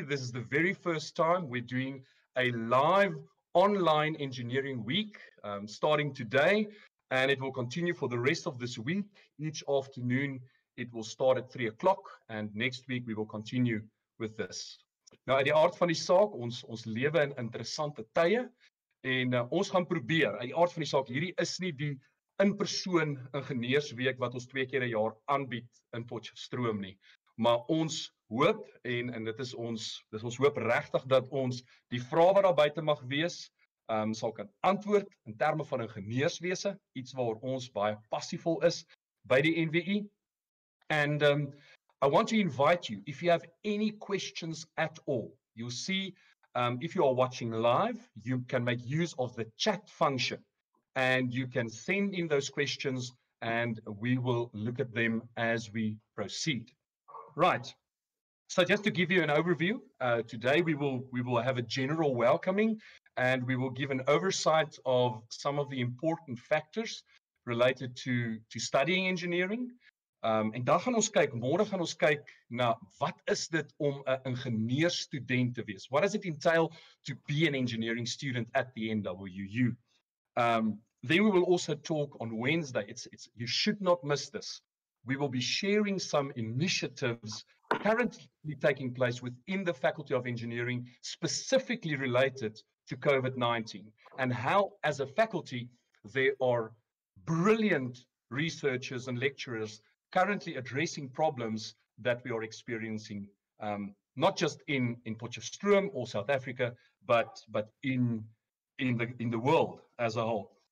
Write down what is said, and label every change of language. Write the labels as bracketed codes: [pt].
[en] This is the very first time we're doing a live online engineering week, starting today, and it will continue for the rest of this week. Each afternoon, it will start at 3 o'clock, and next week we will continue with this. [af] Nou, uit die aard van die saak, ons lewe in interessante tye. En ons gaan probeer, uit die aard van die saak, hierdie is nie die in-persoon ingenieursweek wat ons 2 keer 'n jaar aanbied in Potchefstroom nie. Maar ons hoop, en dit is ons hoop regtig dat ons die vraag wat daar buite mag wees, sal kan antwoord in terme van ingenieurswese, iets waar ons baie passievol is by die NWU. [en] And I want to invite you, if you have any questions at all, you'll see... if you are watching live, you can make use of the chat function and you can send in those questions and we will look at them as we proceed. Right. So just to give you an overview, today we will have a general welcoming and we will give an oversight of some of the important factors related to studying engineering. [af] En dan gaan ons kyk, môre gaan ons kyk na wat is dit om 'n ingenieurstudent te wees? [en] What does it entail to be an engineering student at the NWU? Then we will also talk on Wednesday. It's you should not miss this. We will be sharing some initiatives currently taking place within the Faculty of Engineering specifically related to COVID-19 and how as a faculty there are brilliant researchers and lecturers currently addressing problems that we are experiencing, not just in Potchefstroom or South Africa, but in the world as a whole.